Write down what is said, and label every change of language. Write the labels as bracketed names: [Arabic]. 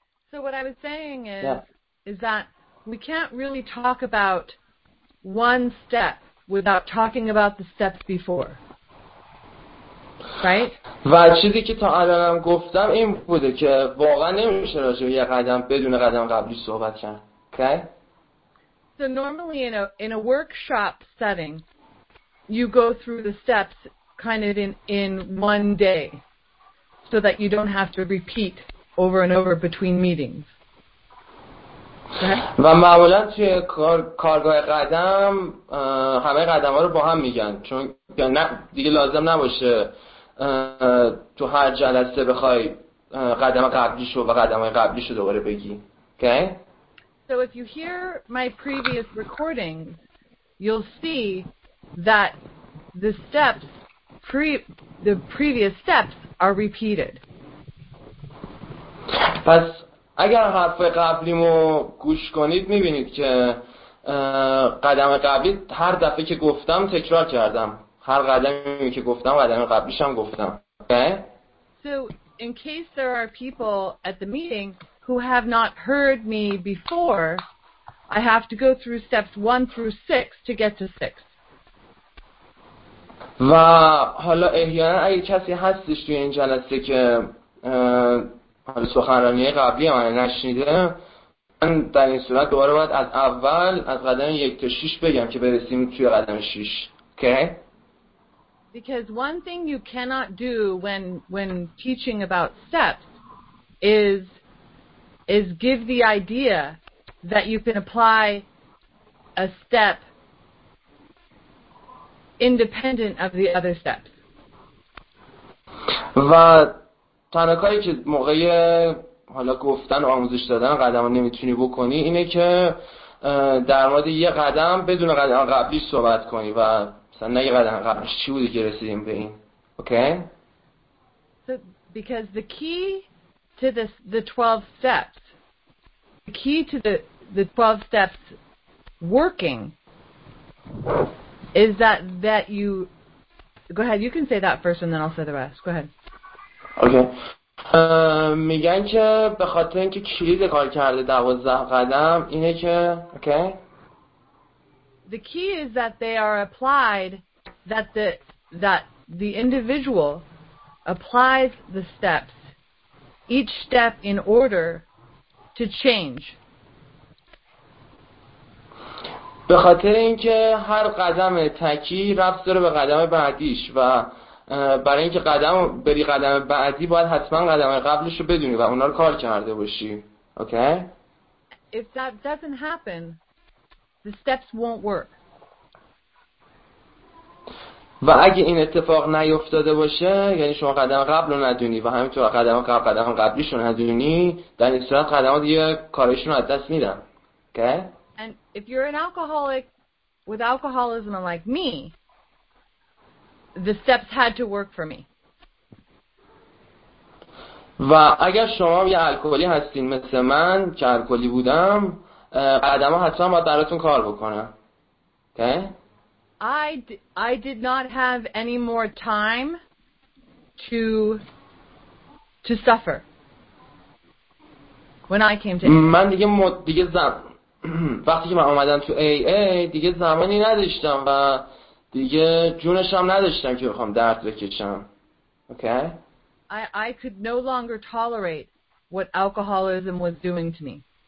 [English] So what I was saying is that we can't really talk about one step without talking about the steps before. [Persian] و چیزی که تا الانم گفتم این بوده که واقعا نمیشه راجع به یه قدم بدون قدم قبلی صحبت کن. [English] Okay? So normally in a workshop setting you go through the steps kind of in one day so that you don't have to repeat over and over between meetings. [Persian] و معمولا توی کارگاه قدم همه قدم ها رو با هم میگن، چون دیگه لازم نباشه تو هر جلسه بخوای قدم قبلیشو و قدمای قبلیشو دوباره بگی. [English] Okay? So if you hear my previous recording, you'll see that the steps the previous steps are repeated. [Persian] پس اگر حرف قبلیمو گوش کنید میبینید که قدم قبلی هر دفعه که گفتم تکرار کردم. هر قدمی که گفتم قدم قبلیش هم گفتم. [English] Okay? So in case there are people at the meeting who have not heard me before, I have to go through steps 1-6 to get to 6. [Persian] و حالا احیانا اگه کسی هستش توی این جلسه که حالا سخنرانی قبلی من نشنیده، من در این صورت دوباره باید از اول از قدم 1 تا 6 بگم که برسیم توی قدم 6. [English] Okay? Because one thing you cannot do when teaching about steps is give the idea that you can apply a step independent of the other steps. [Persian] و تنها کاری که موقع حالا گفتن و آموزش دادن قدم رو نمیتونی بکنی اینه که در مورد یه قدم بدون قدم قبلی صحبت کنی و مثلا نه یه قدم قبلش چی بودی که رسیدیم به این. [English] Okay? Because the key to the 12 steps, the key to the 12 steps working is that you go ahead, you can say that first and then I'll say the rest. Go ahead. Okay. [Persian] میگن که به خاطر اینکه کلید کار کرده 12 قدم اینه که okay. [English] The key is that they are applied, that the individual applies the steps, each step in order to change. [Persian] به خاطر اینکه هر قدم تکی ربط داره به قدم بعدیش و برای اینکه قدم بری قدم بعدی باید حتما قدم قبلش رو بدونی و اونا رو کار کرده باشی. [English] Okay? Okay? If that doesn't happen, the steps won't work. [Persian] و اگه این اتفاق نیفتاده باشه، یعنی شما قدم قبل رو ندونی و همینطور قدم قبلیش رو ندونی، در این صورت قدم ها دیگه کارشون رو از دست میدن. [English] Okay? Okay? And if you're an alcoholic with alcoholism like me, the steps had to work for me. [Persian] و اگر شما یه الکلی هستین مثل من که الکلی بودم، قدم ها حتما باید براتون کار بکنه. [English] Okay? I did not have any more time to suffer when I came to [Persian] من دیگه وقتی که من اومدم تو AA دیگه زمانی نداشتم و دیگه جونش هم نداشتم که بخوام درد بکشم. [English] Okay? I could no longer tolerate what alcoholism was doing to me.